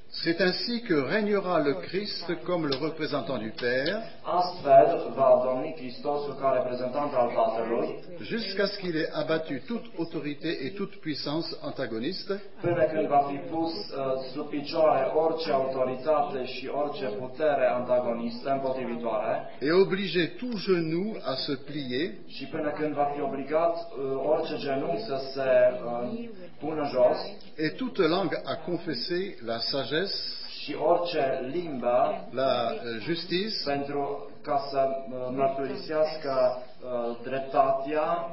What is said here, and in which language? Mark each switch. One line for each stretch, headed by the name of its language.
French: C'est ainsi que régnera le Christ comme le représentant du Père,
Romanian: astfel va domni Christosul ca reprezentant al Tatălui,
French: jusqu'à ce qu'il ait abattu toute autorité et toute puissance antagoniste,
Romanian: până când va fi pus sub picioare orice autoritate și orice putere antagonistă împotrivitoare,
French: et obligé tout genou à se plier,
Romanian: și până când va fi obligat orice genou să se pună jos,
French: et toute langue à confesser la sagesse.
Romanian: Și orice limbă,
French: la justice,
Romanian: pentru ca să mărturisească dreptatea,